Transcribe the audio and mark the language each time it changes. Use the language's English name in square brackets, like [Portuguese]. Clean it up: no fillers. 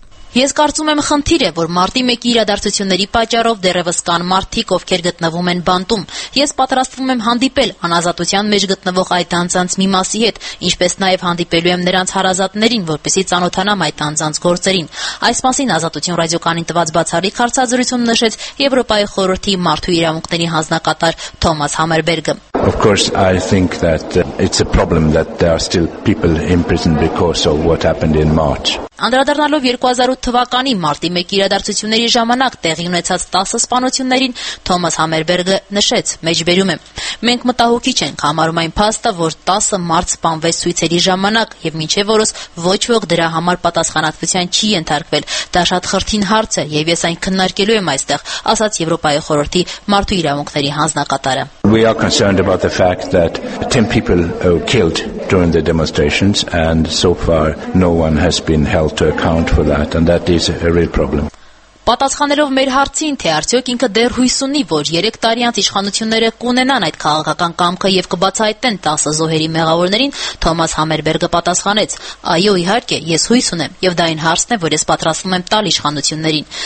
[Armenian] Ես կարծում եմ, խնդիր է, որ մարտի 1-ի իրադարձությունների պատճառով դեռևս կան մարդիկ, ովքեր գտնվում են բանտում։ Ես պատրաստվում եմ հանդիպել անազատության մեջ գտնվող այդ անձանց մի մասի հետ, ինչպես նաև հանդիպելու եմ նրանց հարազատներին, որպեսզի ծանոթանամ այդ անձանց գործերին։ Այս մասին Ազատություն ռադիոկանին տված բացառիկ հարցազրույցում նշեց Եվրոպայի խորհրդի մարդու իրավունքների հանձնակատար Թոմաս Համերբերգը։ [English] Of course, I think that it's a problem that there are still people in prison because of what happened in March. [Armenian] Անդրադառնալով 2008 թվականի մարտի 1-ի իրադարձությունների ժամանակ տեղի ունեցած 10 սպանություններին, Թոմաս Համերբերգը նշեց, մեջբերում եմ. «Մենք մտահոգիչ ենք համարում այն փաստը, որ 10 մարտ սպանվեց ցույցերի ժամանակ եւ մինչեւ օրս ոչ ոք դրա համար պատասխանատվության չի ենթարկվել. Դա շատ խրթին հարց է եւ ես այն քննարկելու եմ այստեղ», ասաց Եվրոպայի խորհրդի մարդու իրավունքների հանձնակատարը։ [English] We are concerned about the fact that 10 people were killed during the demonstrations and so far no one has been held to account for that and that is a real problem. [Armenian] Պատասխանելով մեր հարցին, թե արդյոք ինքը դեռ հույս ունի, որ 3 տարի անց իշխանությունները կունենան այդ քաղաքական կամքը եւ կբացահայտեն 10 զոհերի մեղավորներին, Թոմաս Համերբերգը պատասխանեց. «Այո, իհարկե, ես հույս ունեմ եւ դա այն հարցն է, որ ես պատրաստվում եմ տալ իշխանություններին.